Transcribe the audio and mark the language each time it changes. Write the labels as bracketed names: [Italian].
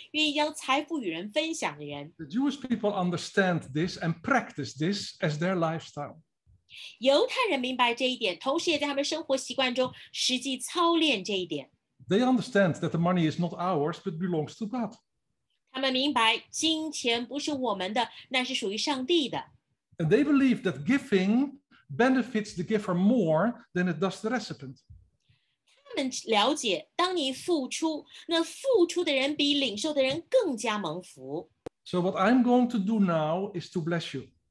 [Chinese] 圣经清楚地讲到，上帝会大能赐福那些愿意将财富与人分享的人。 [English] The Jewish people understand this and practice this as their lifestyle. [Chinese] 犹太人明白这一点，同时也在他们生活习惯中实际操练这一点。 [English] They understand that the money is not ours, but belongs to God. [Chinese] 他们明白金钱不是我们的，那是属于上帝的。 [English] And they believe that giving benefits the giver more than it does the recipient. [Chinese] 他们了解，当你付出，那付出的人比领受的人更加蒙福。 [English] So what I'm going to do now is to bless you.